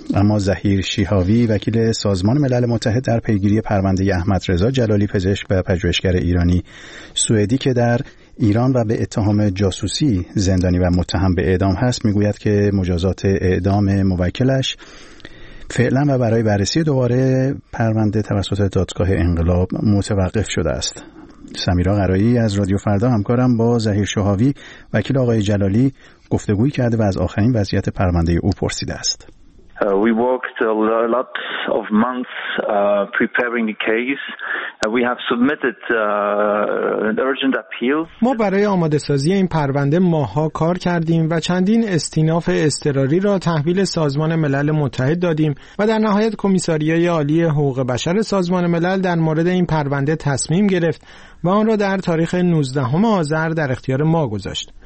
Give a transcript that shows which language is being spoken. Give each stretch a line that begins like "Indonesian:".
Persian: اما ظهیر شیهاوی وکیل سازمان ملل متحد در پیگیری پرونده احمد رضا جلالی، پزشک و پژوهشگر ایرانی سوئدی که در ایران و به اتهام جاسوسی زندانی و متهم به اعدام هست، میگوید که مجازات اعدام موکلش فعلا و برای بررسی دوباره پرونده توسط دادگاه انقلاب متوقف شده است. سمیرا قرایی از رادیو فردا همکارم با ظهیر شهاوی وکیل آقای جلالی گفتگوی کرده و از آخرین وضعیت پرونده او پرسیده است.
English: We worked a lot of months preparing the case. We have submitted an urgent appeal.
Persian: ما برای آماده سازی این پرونده ماها کار کردیم و چندین استیناف اضطراری را تحویل سازمان ملل متحد دادیم و در نهایت کمیساریای عالی حقوق بشر سازمان ملل در مورد این پرونده تصمیم گرفت و آن را در تاریخ 19 آذر در اختیار ما گذاشت.